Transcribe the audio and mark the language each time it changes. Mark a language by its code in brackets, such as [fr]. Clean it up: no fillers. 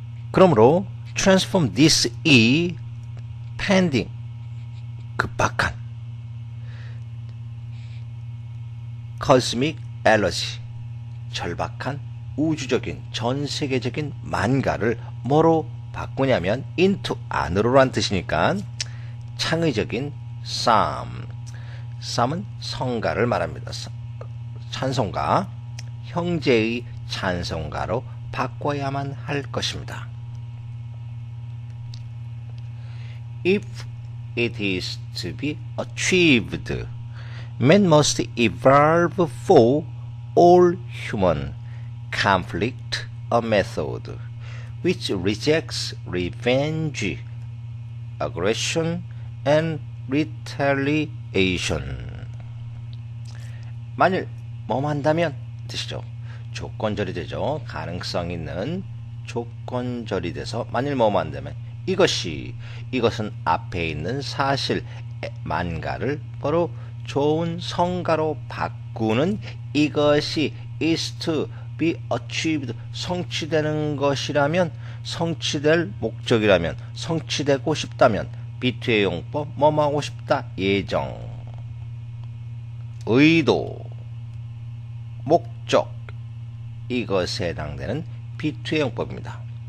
[ko] 그러므로 [en] transform this e pending [ko] 급박한 [en] cosmic allergy [ko] 절박한 우주적인 전 세계적인 만가를 뭐로 바꾸냐면 into 안으로란 뜻이니까 창의적인 psalm, psalm은 성가를 말합니다. 찬송가 형제의 찬송가로 바꿔야만 할 것입니다. [en] If it is to be achieved, man must evolve for all human conflict a method which rejects revenge, aggression, and retaliation. [ko] 만일 뭐만 한다면 뜻이죠. 조건절이 되죠. 가능성 있는 조건절이 돼서 만일 뭐만 한다면 이것이 이것은 앞에 있는 사실 만가를 바로 좋은 성가로 바꾸는 이것이 [en] is to be achieved, [ko] 성취되는 것이라면, 성취될 목적이라면, 성취되고 싶다면, 비트의 용법, 뭐뭐하고 싶다, 예정, 의도, 목적, 이것에 해당되는 비트의 용법입니다.